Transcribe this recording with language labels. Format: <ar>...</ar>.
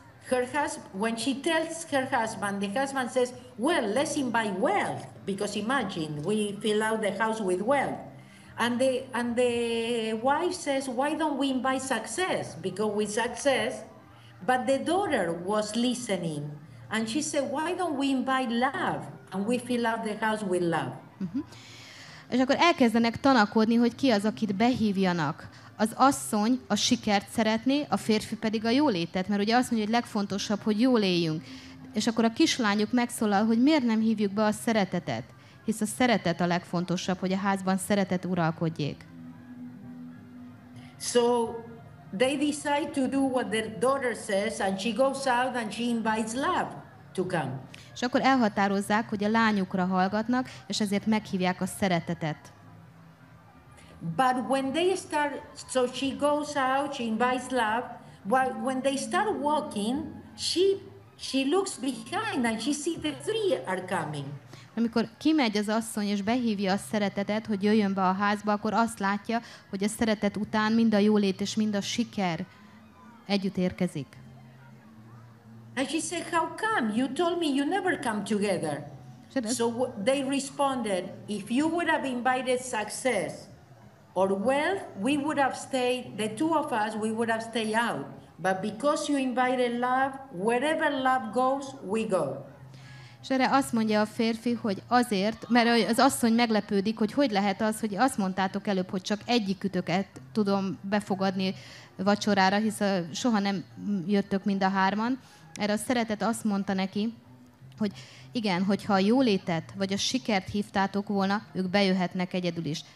<en>Her husband, when she tells her husband, the husband says, well, let's invite wealth, because imagine, we fill out the house with wealth. And the wife says, why don't we invite success? Because with success, but the daughter was listening. And she said, why don't we invite love? And we fill out the house with love. Mm-hmm.</en> <hu>És akkor elkezdenek tanakodni, hogy ki az, akit behívjanak. Az asszony a sikert szeretné, a férfi pedig a jólétet, mert ugye azt mondja, hogy legfontosabb, hogy jól éljünk. És akkor a kislányuk megszólal, hogy miért nem hívjuk be a szeretetet, hisz a szeretet a legfontosabb, hogy a házban szeretet uralkodjék.</hu> <en>So they decide to do what their daughter says, and she goes out and she invites love to come.</en> <hu>És akkor elhatározzák, hogy a lányukra hallgatnak, és ezért meghívják a szeretetet.</hu> <en>But when they start, so she goes out, she invites love. But when they start walking, she looks behind and she sees the three are coming.</en> <hu>amikor kimegy az asszony és behívja a szeretetet, hogy jöjjön be a házba, akkor azt látja, hogy a szeretet után mind a jólét és mind a siker együtt érkezik.</hu> <en>And she said, "How come? You told me you never come together." So they responded, "If you would have invited success or wealth, we would have stayed. The two of us, we would have stayed out. But because you invited love, wherever love goes, we go."</en> <hu>És erre azt mondja a férfi, hogy azért, mert az asszony meglepődik, hogy hogy lehet az, hogy azt mondtátok előbb, hogy csak egyikütöket tudom befogadni vacsorára, hiszen soha nem jöttök mind a hárman. Erre a szeretet azt mondta neki, hogy igen, hogyha a jólétet vagy a sikert hívtátok volna, ők bejöhetnek egyedül is.</hu>